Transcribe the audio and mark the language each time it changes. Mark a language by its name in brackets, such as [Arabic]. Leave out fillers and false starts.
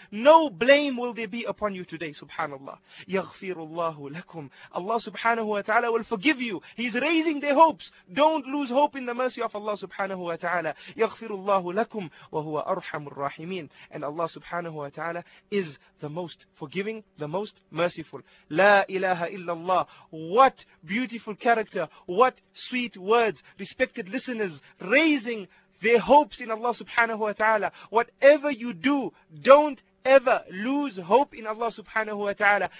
[English] No blame will there be upon you today. Subhanallah. [Arabic] يغفر الله لكم. [English] Allah subhanahu wa ta'ala will forgive you. He's raising their hopes. Don't lose hope in the mercy of Allah subhanahu wa ta'ala. [Arabic] يغفر الله لكم وهو أرحم الراحمين. [English] And Allah subhanahu wa ta'ala is the most forgiving, the most merciful. [Arabic] لا إله إلا الله. [English] What beautiful character. What sweet words. Respected listeners, raising their hopes in Allah subhanahu wa ta'ala. Whatever you do, don't ever lose hope in Allah subhanahu wa ta'ala.